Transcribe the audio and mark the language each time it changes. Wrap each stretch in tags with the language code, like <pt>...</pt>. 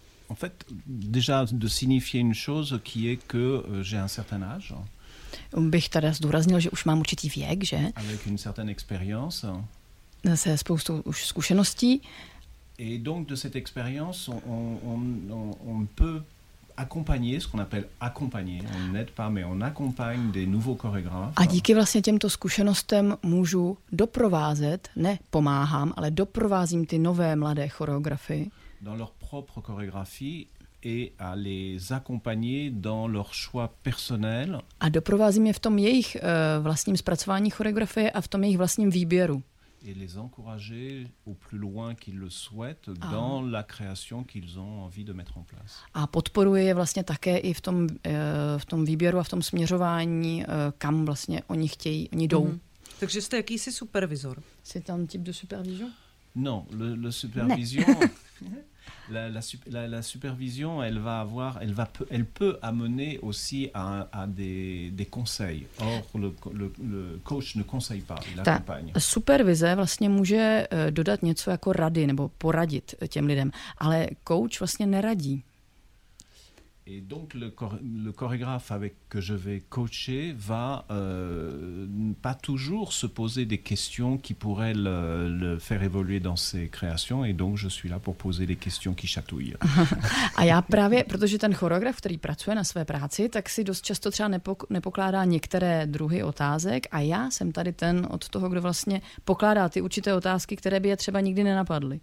<fr>En fait, déjà de signifier une chose qui est que j'ai un certain âge.</fr> <cs>Bych teda zdůraznil, že už mám určitý věk, že?</cs> <fr>Avec une certaine expérience.</fr> <cs>Se spoustou už zkušeností.</cs> <fr>Et donc de cette expérience on peut accompagner, ce qu'on appelle accompagner, on n'aide pas, mais on accompagne des nouveaux chorégraphes.</fr> <cs>A díky vlastně těmto zkušenostem můžu doprovázet, ne pomáhám, ale doprovázím ty nové mladé choreografy.</cs> <fr>Dans leur propre chorégraphie et à les accompagner dans leur choix personnel.</fr> <cs>A doprovázím je v tom jejich vlastním zpracování choreografie a v tom jejich vlastním výběru.</cs> <fr>Et les encourager au plus loin qu'ils le souhaitent dans la création qu'ils ont envie de mettre en place.</fr> <cs>A podporuje je vlastně také i v tom výběru a v tom směřování, kam vlastně oni chtějí, oni jdou. Mm. Takže jste jakýsi supervizor.</cs> <fr>C'est un type de supervision? Non, le supervision. La supervision, elle peut amener aussi à des conseils. Or, le coach ne conseille pas, il accompagne.</fr> <cs>Ta supervize vlastně může dodat něco jako rady nebo poradit těm lidem, ale coach vlastně neradí.</cs> <fr>Et donc le chorégraphe avec que je vais coacher va pas toujours se poser des questions qui pourraient le faire évoluer dans ses créations et donc je suis là pour poser les questions qui chatouillent.</fr> <cs>A já právě, protože ten choreograf, který pracuje na své práci, tak si dost často třeba nepokládá některé druhy otázek a já jsem tady ten od toho, kdo vlastně pokládá ty určité otázky, které by je třeba nikdy nenapadly.</cs>